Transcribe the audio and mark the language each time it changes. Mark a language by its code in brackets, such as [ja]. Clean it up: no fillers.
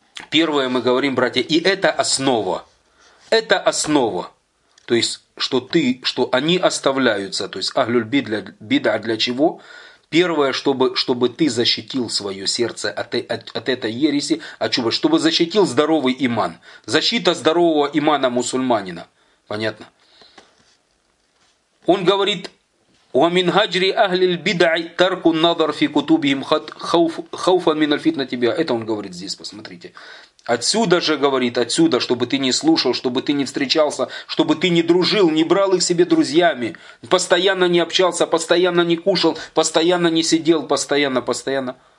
[ru] Первое мы говорим, братья, и это основа, то есть что они оставляются, то есть ахлюль бида для чего? Первое, чтобы ты защитил свое сердце от этой ереси, чтобы защитил здоровый иман. Защита здорового имана мусульманина. Понятно? Он говорит, [ar] وَمِنْ هَجْرِ أَهْلِ الْبِدْعِ تَرْكُ النَّظَرْ فِي كُتُوبِهِمْ خَوْفًا مِنَ الْفِتْنَةِ تِبْيَا. [ru] Это он говорит здесь, посмотрите. Отсюда же говорит, отсюда, чтобы ты не слушал, чтобы ты не встречался, чтобы ты не дружил, не брал их себе друзьями, постоянно не общался, постоянно не кушал, постоянно не сидел, постоянно.